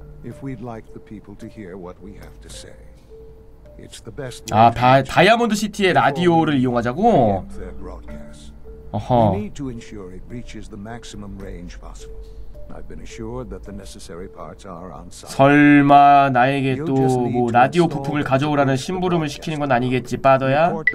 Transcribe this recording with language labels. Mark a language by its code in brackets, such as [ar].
[en] If we'd like the people to hear what we have to say, it's the best. [ko] 아, 다이아몬드 시티의 라디오를 이용하자고. 어허. [en] We need to ensure it reaches the maximum range possible. I've been assured that the necessary parts are on site. [ko] 설마 나에게 또 뭐 라디오 부품을 가져오라는 심부름을 시키는 건 아니겠지, 빠더야?